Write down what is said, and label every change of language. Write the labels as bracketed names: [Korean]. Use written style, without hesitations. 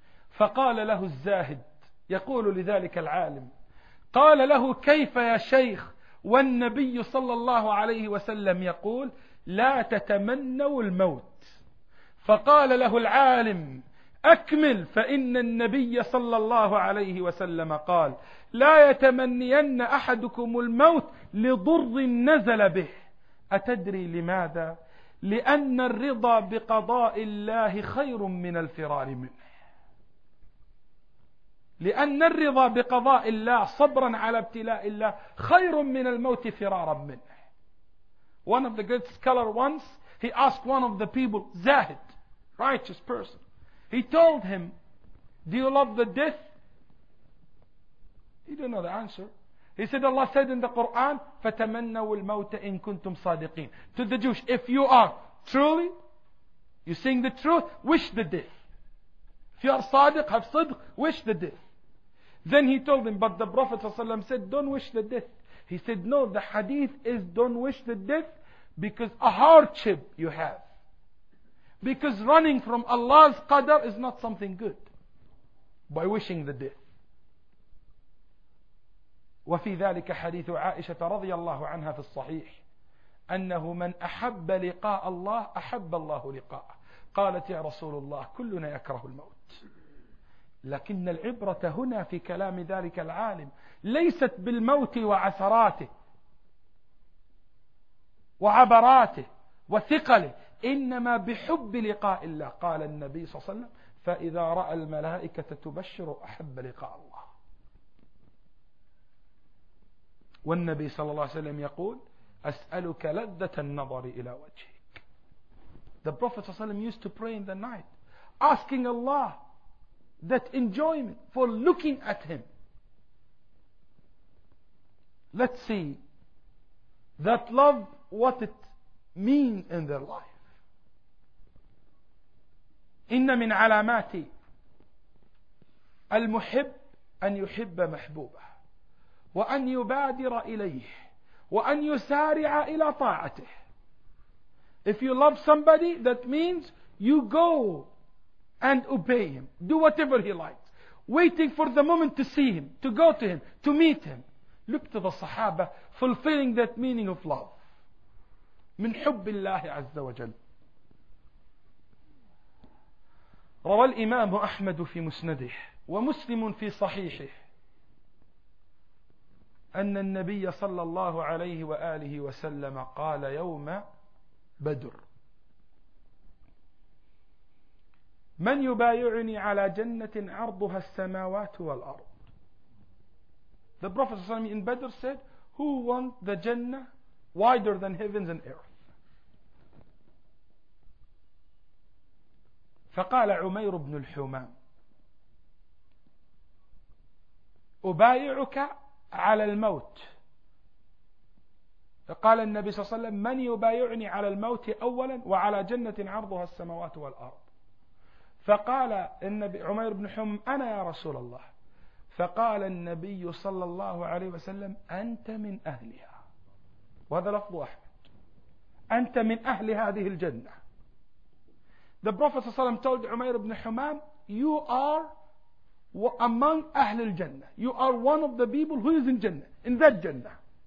[Arabic] فقال له الزاهد, يقول لذلك العالم, قال له كيف يا شيخ والنبي صلى الله عليه وسلم يقول لا تتمنوا الموت؟ فقال له العالم أكمل, فإن النبي صلى الله عليه وسلم قال لا يتمنين أحدكم الموت لضر نزل به. أتدري لماذا؟ لأن الرضا بقضاء الله خير من الفرار منه، لأن الرضا بقضاء الله صبرا على ابتلاء الله خير من الموت فرارا منه. [English] One of the great scholar once, he asked one of the people, Zahid, righteous person, he told him, do you love the death? He didn't know the answer. He said, Allah said in the Quran, [Arabic] فَتَمَنَّوُ الْمَوْتَ إِن كُنْتُمْ صَادِقِينَ. [English] To the Jewish, if you are truly, you're saying the truth, wish the death. If you are صادق, have صدق, wish the death. Then he told him, but the Prophet ﷺ said, don't wish the death. He said, no, the hadith is don't wish the death because a hardship you have. Because running from Allah's qadr is not something good by wishing the death. [Arabic] وفي ذلك حديث عائشة رضي الله عنها في الصحيح أنه من أحب لقاء الله أحب الله لقاءه. قالت يا رسول الله كلنا يكره الموت، لكن العبرة هنا في كلام ذلك العالم ليست بالموت وعثراته وعبراته وثقله، إنما بحب لقاء الله. قال النبي صلى الله عليه وسلم فإذا رأى الملائكة تبشر أحب لقاء الله. والنبي صلى الله عليه وسلم يقول أسألك لذة النظر إلى وجهك. [English] The Prophet صلى الله عليه وسلم used to pray in the night asking Allah that enjoyment for looking at him. Let's see that love, what it means in their life. [Arabic] إن من علامات المحب أن يحب محبوبه وأن يبادر إليه وأن يسارع إلى طاعته. [English] If you love somebody, that means you go and obey him. Do whatever he likes. Waiting for the moment to see him, to go to him, to meet him. Look to the Sahaba fulfilling that meaning of love. [Arabic] من حب الله عز وجل. روى الإمام أحمد في مسنده ومسلم في صحيحه أن النبي صلى الله عليه وآله وسلم قال يوم بدر من يبايعني على جنة عرضها السماوات والأرض. [English] The Prophet صلى الله عليه وسلم in Badr said, who want the Jannah wider than heavens and earth. [Arabic] فقال عمير بن الحمام أبايعك على الموت. قال النبي صلى الله عليه وسلم من يبايعني على الموت أولا وعلى جنة عرضها السماوات والأرض. فقال النبي عمير بن حم أنا يا رسول الله. فقال النبي صلى الله عليه وسلم أنت من أهلها. وهذا لفظ أحمد. أنت من أهل هذه الجنة. [English] The Prophet [Arabic] صلى الله عليه وسلم [English] told [Arabic] عمير بن حمام [English] you are among [Arabic] أهل الجنة. [English] You are one of the people who is in Jannah, in that Jannah.